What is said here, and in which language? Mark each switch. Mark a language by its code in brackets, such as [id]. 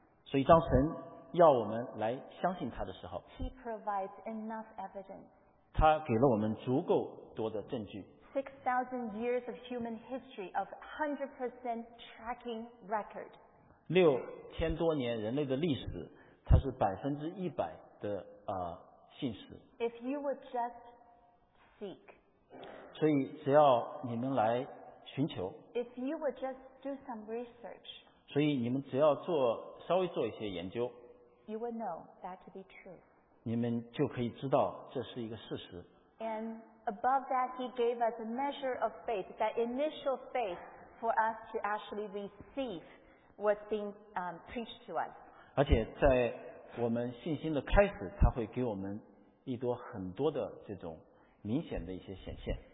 [zh] 所以当神要我们来相信他的时候， [en] He provides enough evidence. [zh] 他给了我们足够多的证据。 [en] 6,000 years of human history of 100% tracking record. [zh] 6,000 多年人类的历史，它是100%的信实。 [en] If you would just seek. [zh] 所以只要你们来寻求。 [en] If you would just do some research. [zh] 所以你们只要做稍微做一些研究。 [en] You would know that to be true. [zh] 你们就可以知道这是一个事实。 [en] And above that, he gave us a measure of faith, that initial faith for us to actually receive what's being preached to us. [zh] 而且在我们信心的开始，他会给我们一朵很多的这种明显的一些显现。